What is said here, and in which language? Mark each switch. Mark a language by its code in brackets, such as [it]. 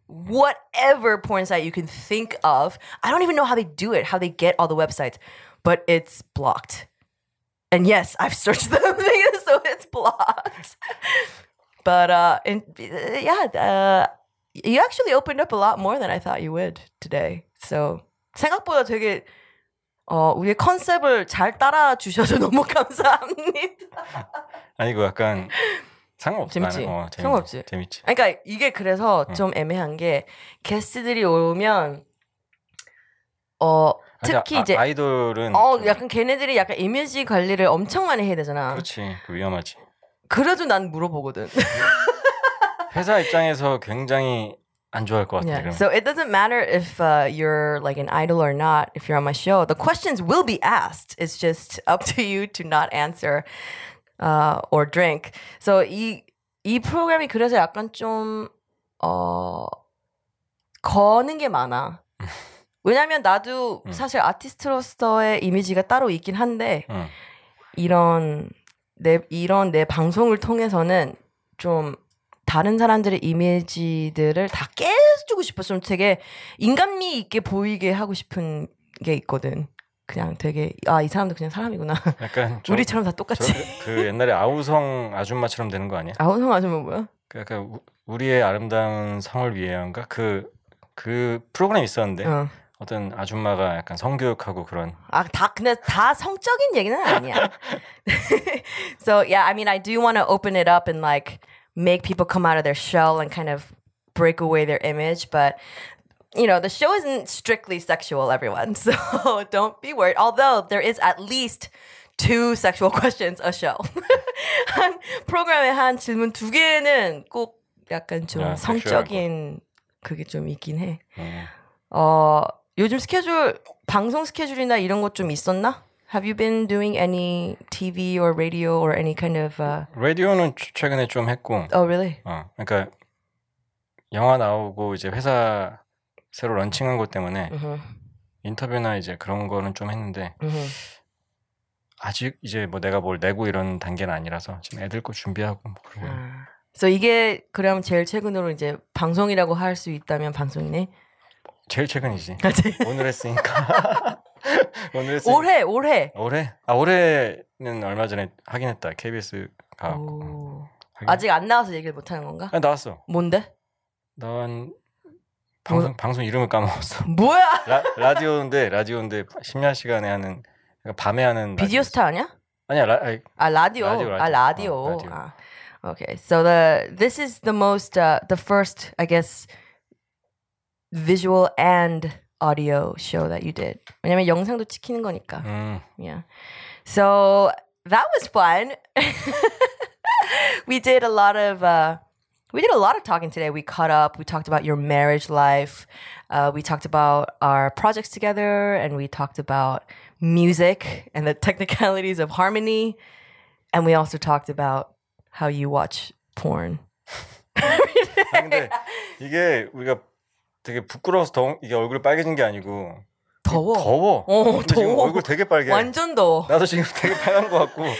[en] Whatever porn site you can think of, I don't even know how they do it, how they get all the websites, but it's blocked. And yes, I've searched them, so it's blocked. But you actually opened up a lot more than I thought you would today. [ko] So 생각보다 되게 우리의 컨셉을 잘 따라주셔서 너무 감사합니다. 아니고 약간 상관없지. 재밌지? 상관없지. 재밌지. 그러니까 이게 그래서 좀 애매한 게 게스트들이 오면 특히 이제 아이돌은 약간 걔네들이 약간 이미지 관리를 엄청 많이 해야 되잖아. 그렇지. 그 위험하지. 그래도 난 물어보거든. 회사 입장에서 굉장히 안 좋아할 것 같아. [en] Yeah. So it doesn't matter if you're like an idol or not, if you're on my show, the questions will be asked. It's just up to you to not answer or drink. [ko] So 이 프로그램이 그래서 약간 좀 거는 게 많아. 왜냐면 나도 사실 아티스트로서의 이미지가 따로 있긴 한데 이런 내 방송을 통해서는 좀 다른 사람들의 이미지들을 다 깨주고 싶어. 좀 되게 인간미 있게 보이게 하고 싶은 게 있거든. 그냥 되게 아, 이 사람도 그냥 사람이구나. 약간 우리처럼 다 똑같이. 그 옛날에 아우성 아줌마처럼 되는 거 아니야? 아우성 아줌마 뭐야? 그 약간 우리의 아름다운 성을 위해인가? 그 프로그램 있었는데. 어떤 아줌마가 약간 성교육하고 그런. 아, 다 근데 다 성적인 얘기는 아니야. [en] So yeah, I mean, I do want to open it up and like make people come out of their shell and kind of break away their image. But you know, the show isn't strictly sexual, everyone. So don't be worried. Although there is at least 2 sexual questions a show. [ko] 한 프로그램에 한 질문 두 개는 꼭 약간 좀 yeah, 성적인 sexual. 그게 좀 있긴 해. 요즘 스케줄, 방송 스케줄이나 이런 것 좀 있었나? [en] Have you been doing any TV or radio or any kind of... [ko] 라디오는 최근에 좀 했고. [en] Oh, really? [ko] 그러니까 영화 나오고 이제 회사 새로 런칭한 것 때문에 인터뷰나 이제 그런 거는 좀 했는데 아직 이제 뭐 내가 뭘 내고 이런 단계는 아니라서 지금 애들 거 준비하고 뭐 그런 거. So 이게 그럼 제일 최근으로 이제 방송이라고 할 수 있다면 방송이네? 제일 최근이지. 오늘 했으니까. 오늘 했으니까. 올해. 올해? 아, 올해는 얼마 전에 하긴 했다. KBS 가고 아직 안 나와서 얘기를 못 하는 건가? 아, 나왔어. 뭔데? 난 방송 방송 이름을 까먹었어. 뭐야? 라디오인데 심야 시간에 하는 그러니까 밤에 하는 비디오 스타 아니야? 아니야. 라디오. 어, 라디오. 아. Okay. [en] So this is the most the first, I guess, visual and audio show that you did. [ko] 왜냐면 영상도 찍히는 거니까. [en] Yeah. So that was fun. We did a lot of talking today. We caught up. We talked about your marriage life. We talked about our projects together, and we talked about music and the technicalities of harmony. And we also talked about how you watch porn. [ko] 아니, 근데 이게 우리가 되게 부끄러워서 더운 이게 얼굴이 빨개진 게 아니고 더워. 더워. 어, 더워. 지금 얼굴 되게 빨개. 완전 더워. 나도 지금 되게 빨간 것 같고.